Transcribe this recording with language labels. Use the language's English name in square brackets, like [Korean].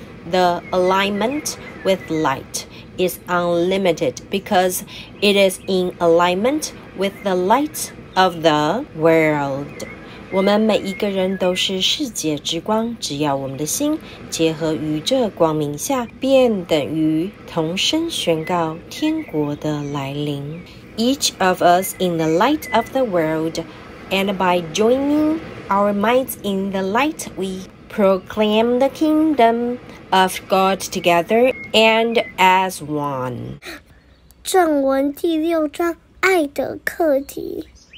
[English] The alignment with light is unlimited because it is in alignment with the lightOf the world. [Chinese] 我们每一个人都是世界之光，只要我们的心结合于这光明下，便等于同声宣告天国的来临。 [English] Each of us in the light of the world, and by joining our minds in the light, we proclaim the kingdom of God together and as one. [Chinese] 正文第六章，爱的课题。